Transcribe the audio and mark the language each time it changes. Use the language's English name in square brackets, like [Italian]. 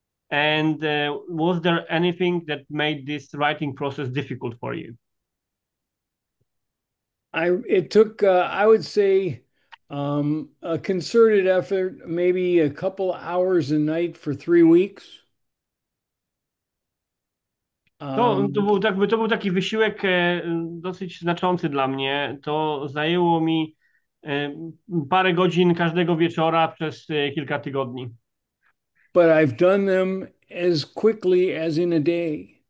[English] And was there anything that made this writing process difficult for you? It took, I would say, a concerted effort, maybe a couple hours a night for 3 weeks. [Polish] To był taki wysiłek dosyć znaczący dla mnie. To zajęło mi parę godzin każdego wieczora przez kilka tygodni. [English] But I've done them as quickly as in a day.